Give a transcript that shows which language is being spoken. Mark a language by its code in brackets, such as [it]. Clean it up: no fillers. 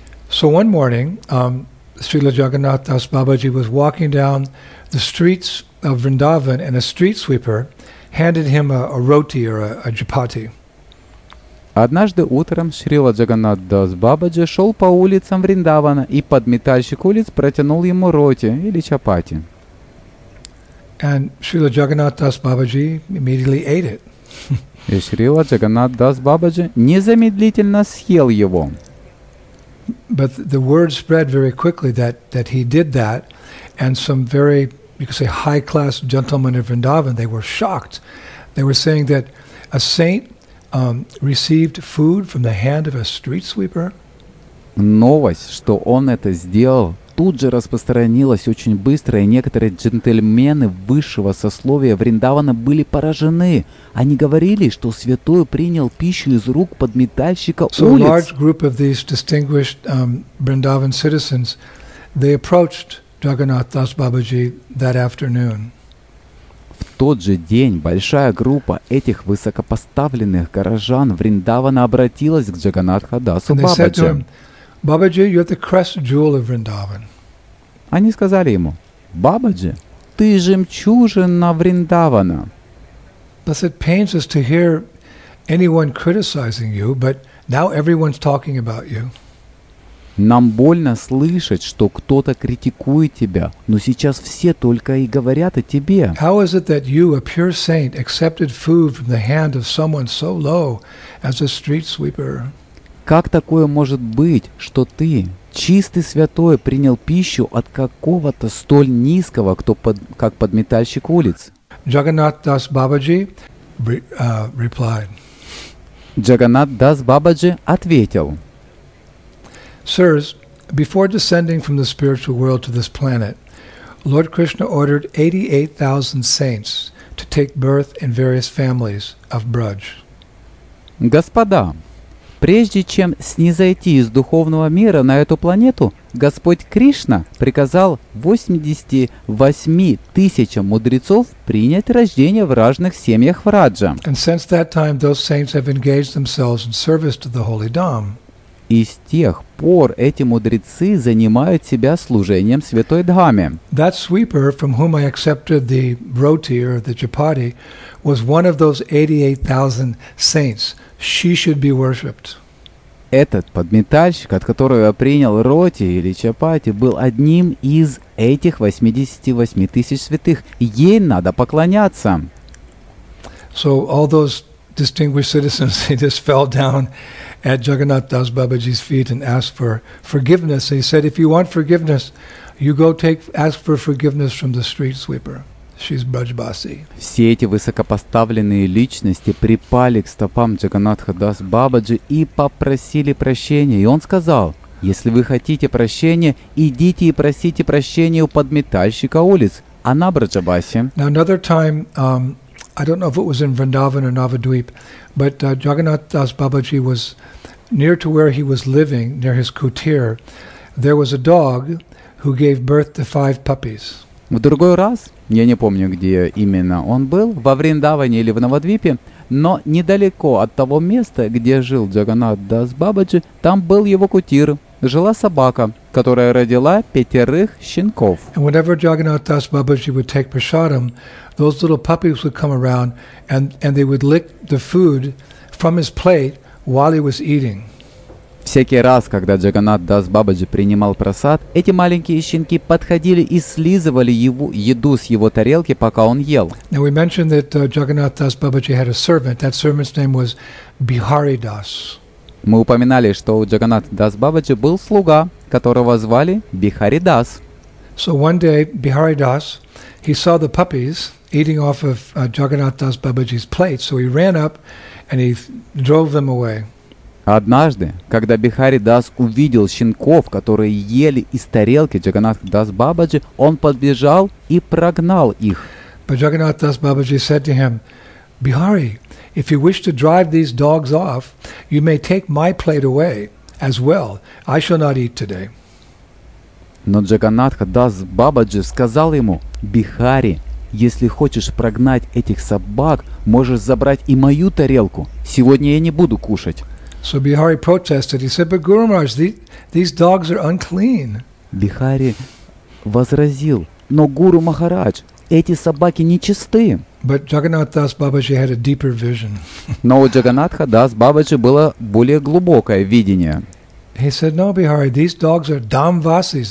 [en] So one morning, Srila Jagannath Das Babaji was walking down the streets of Vrindavan and a street sweeper handed him a roti or a chapati. [ru] Однажды утром Шрила Джаганнат Дас Бабаджи шел по улицам Вриндавана, и подметальщик улиц протянул ему роти или чапати. [en] And Srila Jagannath Das Babaji immediately ate it. [ru] И Шрила Джаганнат Дас Бабаджи незамедлительно съел его. [en] But the word spread very quickly that he did that, and some very, you could say, high-class gentlemen of Vrindavan, they were shocked. They were saying that a saint received food from the hand of a street sweeper. [ru] Новость, что он это сделал, тут же распространилась очень быстро, и некоторые джентльмены высшего сословия Вриндавана были поражены. Они говорили, что святой принял пищу из рук подметальщика улиц. [en] So a large group of these distinguished Vrindavan citizens, they approached Jagannath Das Babaji that afternoon. [ru] В тот же день большая группа этих высокопоставленных горожан Вриндавана обратилась к Джаганнатху Дасу Бабаджи. [en] Babaji, you're the crest jewel of Vrindavan. [ru] Они сказали ему: "Бабаджи, ты жемчужина Вриндавана. [en] Thus it pains us to hear anyone criticizing you, but now everyone's talking about you. [ru] Нам больно слышать, что кто-то критикует тебя, но сейчас все только и говорят о тебе. [en] How is it that you, a pure saint, accepted food from the hand of someone so low as a street sweeper? [ru] Как такое может быть, что ты, чистый святой, принял пищу от какого-то столь низкого, кто под, как подметальщик улиц? [en] Jagannath Das Babaji replied. [ru] Jagannath Das Babaji ответил. [en] Sirs, before descending from the spiritual world to this planet, Lord Krishna ordered 88,000 saints to take birth in various families of Braj. [ru] Господа, прежде чем снизойти из духовного мира на эту планету, Господь Кришна приказал 88 тысячам мудрецов принять рождение в разных семьях Враджа. [en] And since that time, those saints have engaged themselves in service to the Holy Dham. [ru] И с тех пор эти мудрецы занимают себя служением Святой Дхаме. [en] That sweeper, from whom I accepted the roti or the chapati, was one of those 88,000 saints. She should be worshipped. [ru] Этот подметальщик, от которого я принял роти или чапати, был одним из этих 88 тысяч святых. Ей надо поклоняться. [en] So all those distinguished citizens, they just fell down at Jagannath Das Babaji's feet and asked for forgiveness. He said, if you want forgiveness, you go take ask for forgiveness from the street sweeper. She's Brajbasi. [ru] Все эти высокопоставленные личности припали к стопам Джаганнатха Дас Бабаджи и попросили прощения. И он сказал, если вы хотите прощения, идите и просите прощения у подметальщика улиц. Она Брачабаси. [en] Now another time, I don't know if it was in Vrindavan or Navadvip, but Jagannath Das Babaji was near to where he was living, near his kutir. There was a dog who gave birth to 5 puppies. [ru] В другой раз, я не помню, где именно он был, во Вриндаване или в Навадвипе, но недалеко от того места, где жил Джаганнат Дас Бабаджи, там был его кутир. Жила собака, которая родила 5 щенков. [en] And whenever Jagannath Das Babaji would take prasadam, those little puppies would come around and they would lick the food from his plate while he was eating. [ru] Всякий раз, когда Джаганнат Дас Бабаджи принимал прасад, эти маленькие щенки подходили и слизывали его, еду с его тарелки, пока он ел. [en] Now we mentioned that Jagannath Das Babaji had a servant. That servant's name was Bihari Das. [ru] Мы упоминали, что у Джаганнат Дас Бабаджи был слуга, которого звали Бихари Дас. [en] So one day Bihari Das, he saw the puppies eating off of Jagannath Das Babaji's plate, so he ran up and he drove them away. [ru] Однажды, когда Бихари Дас увидел щенков, которые ели из тарелки Джаганнатха Дас Бабаджи, он подбежал и прогнал их. [en] But Jagannath Das Babaji said to him, Bihari, if you wish to drive these dogs off, you may take my plate away as well. I shall not eat today. [ru] Но Джаганнатха Дас Бабаджи сказал ему, Бихари, если хочешь прогнать этих собак, можешь забрать и мою тарелку. Сегодня я не буду кушать. [en] So Bihari protested. He said, "But Guru Maharaj, these dogs are unclean." [ru] Bihari возразил, "Но Гуру Махарадж, эти собаки нечисты." [en] But Jagannath Das Babaji had a deeper vision. [ru] Но у Джаганнатха Дас Бабаджи было более глубокое видение. [en] He said, "No, Bihari, these dogs are Dhamvasis.